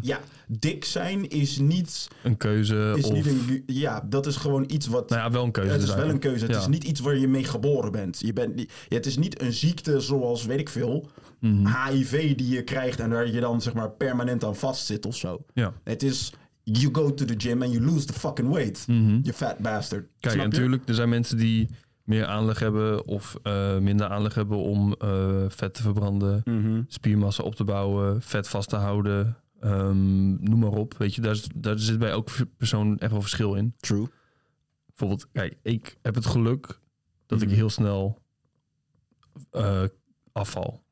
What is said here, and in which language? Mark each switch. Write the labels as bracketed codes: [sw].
[nl] Ja, dik zijn is niet een keuze. Dat is gewoon iets wat. Nou ja, wel een keuze. Het is wel een keuze. Het is niet iets waar je mee geboren bent. Het is niet een ziekte zoals weet ik veel. HIV die je krijgt en waar je dan zeg maar permanent aan vast zit of zo. Ja. Het is, [en] you go to the gym and you lose the fucking weight. You fat bastard. [nl] Kijk, snap je? Natuurlijk, er zijn mensen die meer aanleg hebben of minder aanleg hebben om vet te verbranden, spiermassa op te bouwen, vet vast te houden, noem maar op. Weet je, daar zit bij elke persoon echt wel verschil in. [en] True. [nl] Bijvoorbeeld, kijk, ik heb het geluk dat ik heel snel afval.